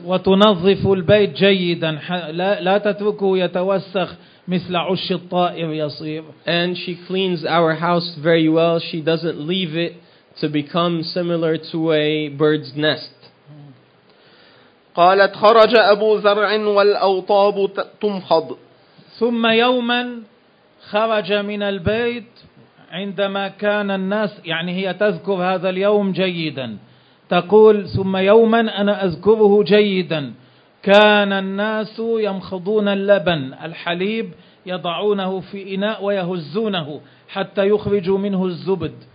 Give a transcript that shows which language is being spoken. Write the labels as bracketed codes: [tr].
[ar] وتنظف البيت جيدا لا تتركه يتوسخ مثل عش الطائر يصير. [en] And she cleans our house very well. She doesn't leave it to become similar to a bird's nest. [ar] قالت خرج أبو زرع والأوطاب تمخض ثم يوما خرج من البيت عندما كان الناس يعني هي تذكر هذا اليوم جيدا تقول ثم يوما أنا أذكره جيدا كان الناس يمخضون اللبن الحليب يضعونه في إناء ويهزونه حتى يخرجوا منه الزبد.